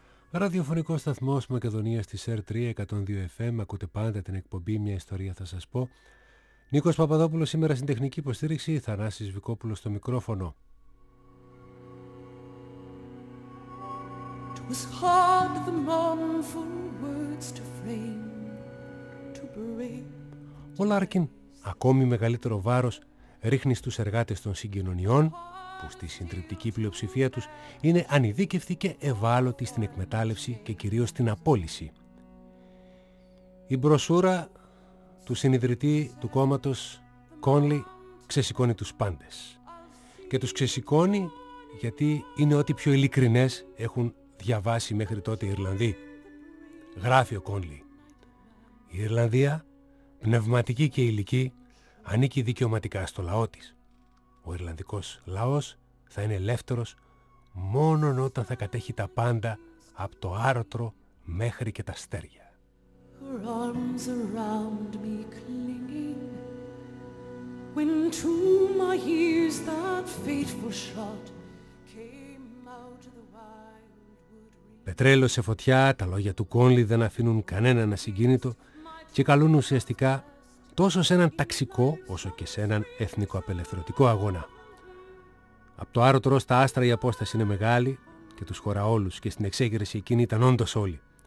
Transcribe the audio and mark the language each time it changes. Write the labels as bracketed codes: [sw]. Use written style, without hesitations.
[el] Ραδιοφωνικό σταθμό Μακεδονία τη ΕΡΤ3 102 FM. Ακούτε πάντα την εκπομπή Μια Ιστορία θα σα πω. Νίκο Παπαδόπουλο σήμερα στην τεχνική υποστήριξη. Θανάση Βικόπουλο στο μικρόφωνο. [en] It was hard the mournful words to frame, to break. [el] Ο Λάρκιν, ακόμη μεγαλύτερο βάρο, ρίχνει στου εργάτε των συγκοινωνιών, που στη συντριπτική πλειοψηφία τους είναι ανειδίκευτοι και ευάλωτοι στην εκμετάλλευση και κυρίως στην απόλυση. Η μπροσούρα του συνιδρυτή του κόμματος Κόνλι ξεσηκώνει τους πάντες. Και τους ξεσηκώνει γιατί είναι ό,τι πιο ειλικρινές έχουν διαβάσει μέχρι τότε οι Ιρλανδοί. Γράφει ο Κόνλι: «Η Ιρλανδία, πνευματική και υλική, ανήκει δικαιωματικά στο λαό της. Ο Ιρλανδικός λαός θα είναι ελεύθερος μόνον όταν θα κατέχει τα πάντα από το άρωτρο μέχρι και τα αστέρια». [en] Her arms around me clinging, when to my ears that fateful shot came out of the wildwood. [el] Πετρέλαιο σε φωτιά, τα λόγια του Κόνλι δεν αφήνουν κανέναν ασυγκίνητο και καλούν ουσιαστικά τόσο σε έναν ταξικό όσο και σε έναν εθνικό απελευθερωτικό αγώνα. Από το άρωτρο στα άστρα η απόσταση είναι μεγάλη και τους χωρά όλους, και στην εξέγερση εκείνη ήταν όντως όλοι.